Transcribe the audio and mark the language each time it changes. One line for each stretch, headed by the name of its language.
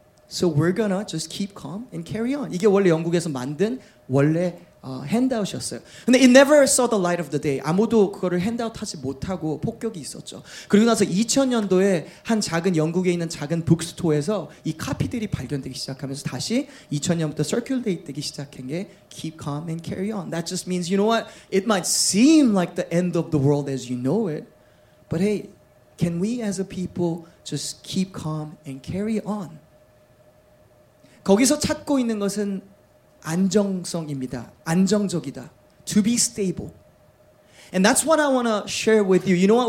English: So we're gonna just keep calm and carry on.
Korean: 이게 원래 영국에서 만든 원래 핸드아웃이었어요.
English: 근데 it never saw the light of the day.
Korean: 아무도 그거를 핸드아웃하지 못하고 폭격이 있었죠. 그리고 나서 2000년도에 한 작은 영국에 있는 작은 북스토어에서 이 카피들이 발견되기 시작하면서 다시 2000년부터 circulate되기 시작한 게
English: keep calm and carry on. That just means, you know what? It might seem like the end of the world as you know it, but hey, can we as a people just keep calm and carry on?
Korean: 거기서 찾고 있는 것은 안정성입니다. 안정적이다.
English: To be stable. And that's what I want to share with you. You know what?